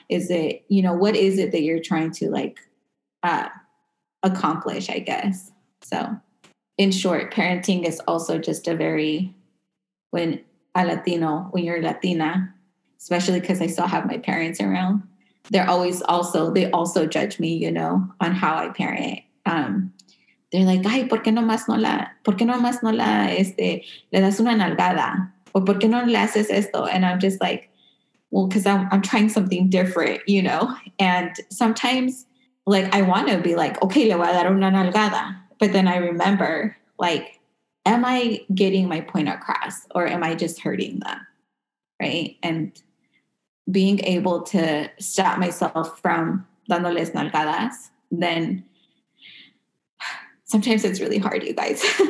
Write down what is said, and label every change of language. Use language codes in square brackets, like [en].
[en] Is it, you know, what is it that you're trying to like accomplish, I guess? So in short, parenting is also just a very, when a Latino, when you're Latina, especially because I still have my parents around, they're always also, they also judge me, you know, on how I parent. They're like, [es] ay, ¿por qué no más no la, este, le das una nalgada? O ¿por qué no le haces esto? [en] And I'm just like, well, because I'm trying something different, you know? And sometimes, like, I want to be like, okay, [es] le voy a dar una nalgada. [en] But then I remember, like, am I getting my point across? Or am I just hurting them, right? And being able to stop myself from [es] dándoles nalgadas, [en] then sometimes it's really hard, you guys.